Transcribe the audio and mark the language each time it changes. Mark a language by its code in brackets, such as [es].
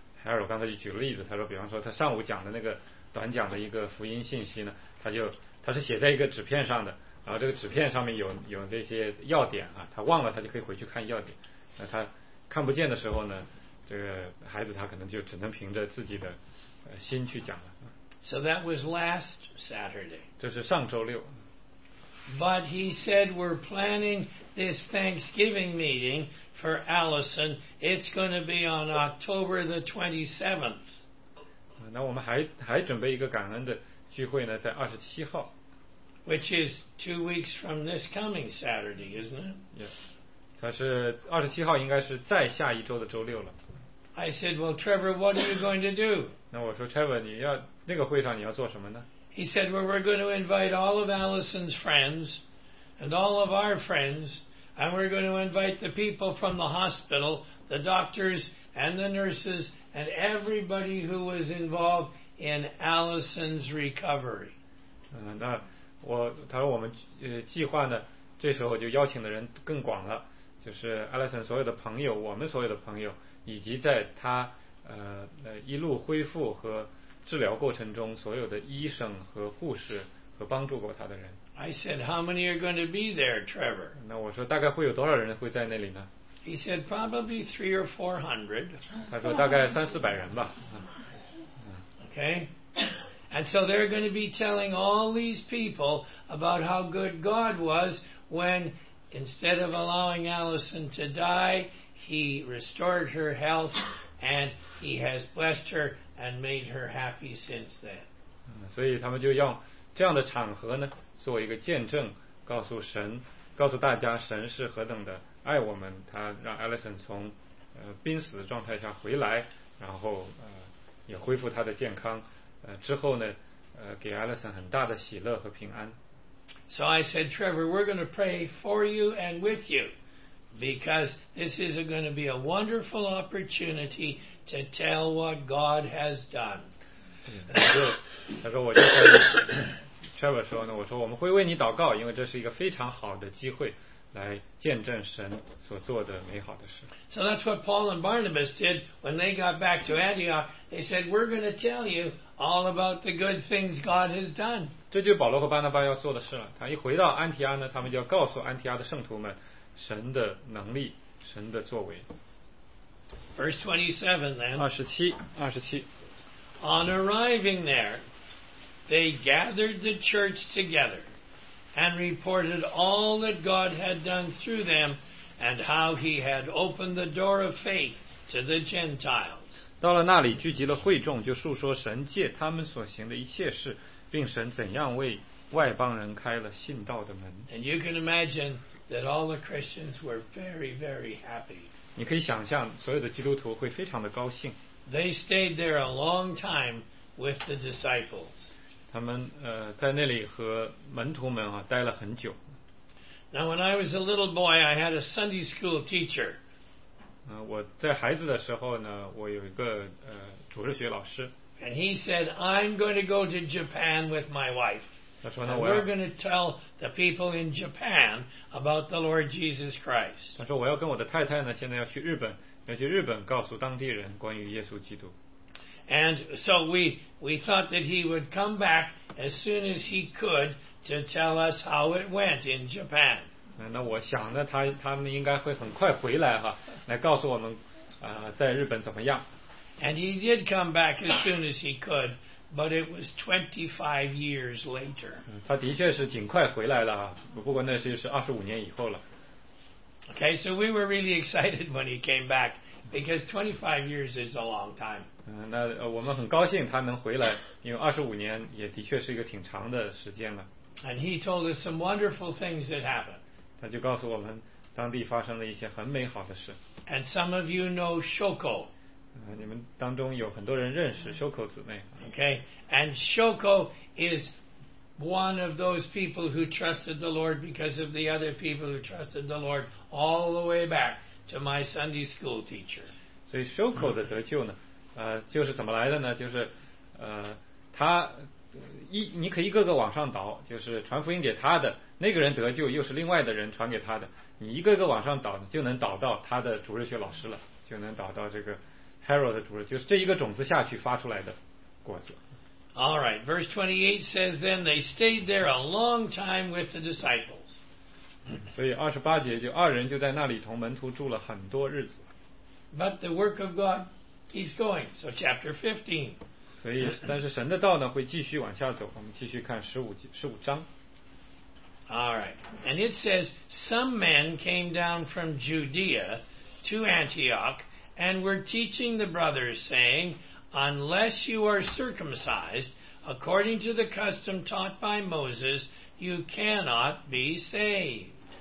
[zh] 海尔刚才就举了例子，他说比方说他上午讲的那个短讲的一个福音信息呢，他是写在一个纸片上的，然后这个纸片上面有这些要点啊，他忘了他就可以回去看要点。那他看不见的时候呢，这个孩子他可能就只能凭着自己的心去讲了。 [en] So that was last Saturday. [zh] 这是上周六。 [en] But he said we're planning this Thanksgiving meeting for Allison. It's going to be on October the 27th. [zh] 那我们还准备一个感恩的聚会呢，在二十七号。 [en] Which is 2 weeks from this coming Saturday, isn't it? Yes. [zh] 它是二十七号，应该是再下一周的周六了。 [en] I said, well, Trevor, what are you going to do? [zh] 那我说 Trevor, 你要那个会上你要做什么呢？ [en] He said, well, we're going to invite all of Allison's friends and all of our friends, and we're going to invite the people from the hospital, the doctors and the nurses and everybody who was involved in Allison's recovery. [zh] 那我他说我们计划呢，这时候就邀请的人更广了，就是 Allison 所有的朋友，我们所有的朋友，以及在他一路恢复和治疗过程中所有的医生和护士和帮助过他的人。 [en] I said, how many are going to be there, Trevor? [zh] 那我说大概会有多少人会在那里呢？ [en] He said, probably 300 or 400. [zh] 他说大概三四百人吧。 [en] Okay. And so they're going to be telling all these people about how good God was when instead of allowing Allison to die,He restored her health, and he has blessed her and made her happy since then. [zh] 所以他们就用这样的场合呢，做一个见证，告诉神，告诉大家神是何等的爱我们。他让 Allison 从濒死的状态下回来，然后也恢复她的健康。之后呢，给 Allison 很大的喜乐和平安。 [en] So I said, Trevor, we're going to pray for you and with you. Because this is going to be a wonderful opportunity to tell what God has done. [zh] 他说我就说 Trevor 说呢，我说我们会为你祷告，因为这是一个非常好的机会来见证神所做的美好的事。 [en] So that's what Paul and Barnabas did when they got back to Antioch. They said, we're going to tell you all about the good things God has done. [zh] 这就是保罗和巴拿巴要做的事了。他一回到安提阿呢，他们就要告诉安提阿的圣徒们神的能力，神的作为。 [en] Verse 27 then. 27. On arriving there, they gathered the church together and reported all that God had done through them and how he had opened the door of faith to the Gentiles. [zh] 到了那里聚集了会众，就述说神借他们所行的一切事，并神怎样为外邦人开了信道的门。 [en] And you can imagine,that all the Christians were very, very happy. [zh] 你可以想象所有的基督徒会非常的高兴。 [en] They stayed there a long time with the disciples. [zh] 他们在那里和门徒们啊待了很久。 [en] Now when I was a little boy, I had a Sunday school teacher. [zh] 我在孩子的时候呢，我有一个主日学老师。 [en] And he said, I'm going to go to Japan with my wife. [zh] 他说呢， [en] and we're going to tell the people in Japan about the Lord Jesus Christ. [zh] 他说我要跟我的太太呢，现在要去日本，要去日本告诉当地人关于耶稣基督。 [en] And so we thought that he would come back as soon as he could to tell us how it went in Japan. [zh] 那我想呢，他们应该会很快回来哈，来告诉我们在日本怎么样。 [en] And he did come back as soon as he could. But it was 25 years later. [zh] 他的确是尽快回来了，不过那是25年以后了。 [en] Okay, so we were really excited when he came back because 25 years is a long time. [zh] 那我们很高兴他能回来，因为25年也的确是一个挺长的时间了。 [en] And he told us some wonderful things that happened. [zh] 他就告诉我们当地发生了一些很美好的事。 [en] And some of you know Shoko. [zh] 你们当中有很多人认识 Shoko 姊妹。 [en] Okay, and Shoko is one of those people who trusted the Lord because of the other people who trusted the Lord all the way back to my Sunday school teacher. [zh] 所以 Shoko 的得救呢，就是怎么来的呢？就是，他你可以一个个往上倒，就是传福音给他的那个人得救，又是另外的人传给他的，你一个个往上倒，就能倒到他的主日学老师了，就能倒到这个 Harold 的主日，就是这一个种子下去发出来的果子。 [en] All right, verse 28 says, then they stayed there a long time with the disciples. [zh] 所以二十八节就二人就在那里同门徒住了很多日子。 [en] But the work of God keeps going. So chapter 15. [zh] 所以但是神的道呢会继续往下走，我们继续看十五章。 [en] All right, and it says, some men came down from Judea to Antioch and were teaching the brothers, saying,Unless you are circumcised, according to the custom taught by Moses, you cannot be saved.